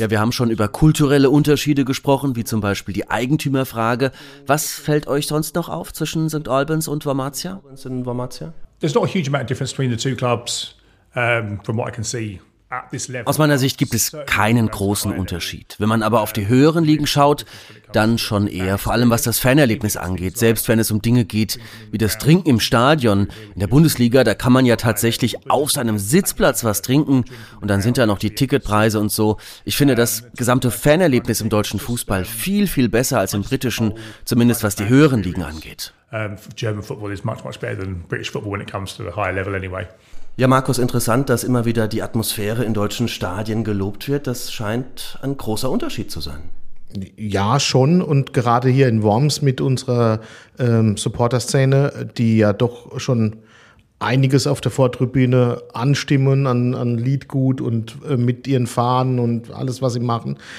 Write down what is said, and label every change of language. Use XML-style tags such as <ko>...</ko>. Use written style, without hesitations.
<de>Ja, wir haben schon über kulturelle Unterschiede gesprochen, wie zum Beispiel die Eigentümerfrage. Was fällt euch sonst noch auf zwischen St. Albans und Wormatia?</de> <en>There's not a huge amount of difference between the two clubs, from what I can see.</en> <de>Aus meiner Sicht gibt es keinen großen Unterschied. Wenn man aber auf die höheren Ligen schaut, dann schon eher, vor allem was das Fanerlebnis angeht. Selbst wenn es um Dinge geht wie das Trinken im Stadion. In der Bundesliga, da kann man ja tatsächlich auf seinem Sitzplatz was trinken und dann sind da noch die Ticketpreise und so. Ich finde das gesamte Fanerlebnis im deutschen Fußball viel, viel besser als im britischen, zumindest was die höheren Ligen angeht.</de> <en>German football is much, much better than British football when it comes to the higher level anyway.</en> <de>Ja, Markus, interessant, dass immer wieder die Atmosphäre in deutschen Stadien gelobt wird. Das scheint ein großer Unterschied zu sein. Ja, schon. Und gerade hier in Worms mit unserer Supporter-Szene, die ja doch schon einiges auf der Vortribüne anstimmen an Liedgut und mit ihren Fahnen und alles, was sie machen.</de>